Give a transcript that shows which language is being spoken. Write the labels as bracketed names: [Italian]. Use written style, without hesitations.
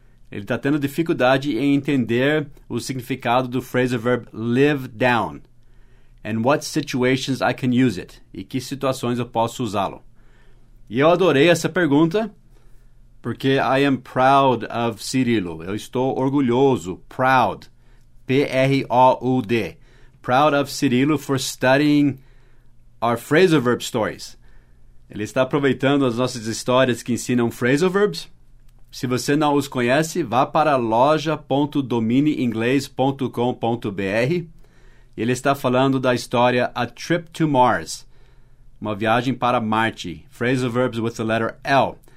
[Portuguese] Ele está tendo dificuldade em entender o significado do phrasal verb live down, [English] and what situations I can use it, [Portuguese] e que situações eu posso usá-lo. E eu adorei essa pergunta, porque [English] I am proud of Cirilo. [Portuguese] Eu estou orgulhoso, proud, P-R-O-U-D. [English] Proud of Cirilo for studying our phrasal verb stories. [Portuguese] Ele está aproveitando as nossas histórias que ensinam phrasal verbs. Se você não os conhece, vá para loja.dominieinglês.com.br. Ele está falando da história A Trip to Mars, uma viagem para Marte, [English] phrasal verbs with the letter L.